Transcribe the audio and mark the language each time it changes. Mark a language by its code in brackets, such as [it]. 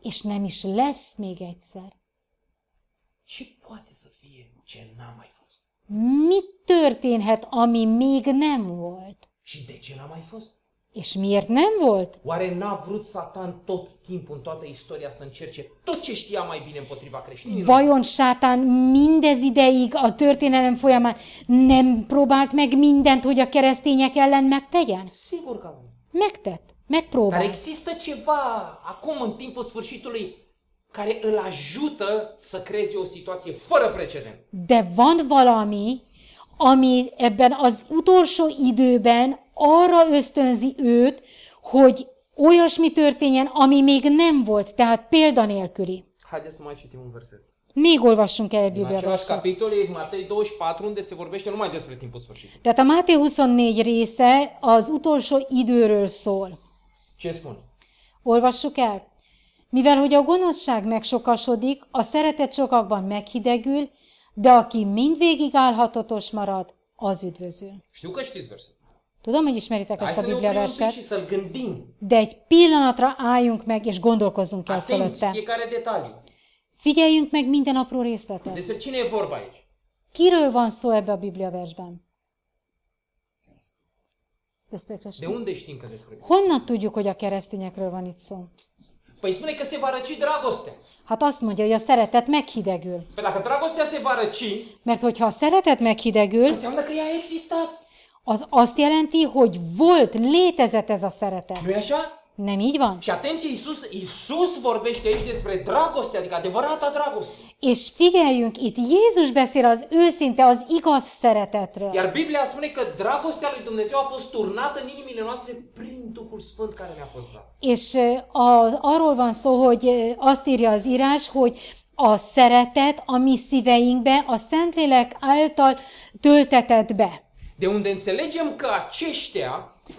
[hu] És nem is lesz még egyszer. [ro] Ce poate să fie ce n-a mai fost? [hu] Mit történhet, ami még nem volt? [ro] Și de ce n-a mai fost? [hu] És miért nem volt? [ro] Oare n-a vrut Satan tot timpul, în toată istoria, să încerce tot ce știa mai bine împotriva creștinilor? [hu] Vajon Satan mindez ideig a történelem folyamán nem próbált meg mindent, hogy a keresztények ellen megtegyen? [ro] Sigur că nu. [hu] Megtett, megpróbált. [ro] Dar există ceva acum, în timpul sfârșitului, care îl ajută să creeze o situație fără precedent. [hu] De van valami, ami ebben az utolsó időben arra ösztönzi őt, hogy olyasmi történjen, ami még nem volt, tehát példanélküli. [ro] Haideți să mai citim un verset. [hu] Még olvassunk el egy Biblia verset. [ro] În același capitol, Matei 24, unde se vorbește numai despre timpul sfârșit. [hu] Tehát a Máté 24 része az utolsó időről szól. [ro] Ce spune? [hu] Olvassuk el. Mivel hogy a gonoszság megsokasodik, a szeretet sokakban meghidegül, de aki mindvégig állhatatos marad, az üdvözül. [ro] Știu că știți verset. [hu] Tudom, hogy ismeritek ezt a Biblia verset. [ro] Hai să ne oprim un pic și să-l gândim. [hu] De egy pillanatra álljunk meg, és gondolkozzunk el fölötte. [ro] Atenți, fiecare detaliu. [hu] Figyeljünk meg minden apró részletet. [ro] Despre cine e vorba aici? [hu] Kiről van szó ebbe a Biblia versben? [ro] Despre creștin. De unde știm că despre creștin? [hu] Honnan tudjuk, hogy a keresztényekről van itt szó? [ro] Păi spune că se va răci dragostea. [hu] Hát azt mondja, hogy a szeretet meghidegül. [ro] Păi dacă dragostea se va răci, [hu] mert hogyha a szeretet meghidegül, [ro] înseamnă că ea a existat. [hu] Az azt jelenti, hogy volt, létezett ez a szeretet. [ro] Nu-i așa? [hu] Nem így van? [ro] Și atenție, Iisus vorbește aici despre dragoste, adică adevărata dragoste. [hu] És figyeljünk itt, Jézus beszél az őszinte, az igaz szeretetről. [ro] Iar Biblia spune că dragostea lui Dumnezeu a fost turnată în inimile noastre prin Duhul Sfânt care ne-a fost dat. [hu] És arról van szó, hogy azt írja az írás, hogy a szeretet a mi szíveinkbe, a Szentlélek által töltetett be. [ro] De unde înțelegem că aceștia,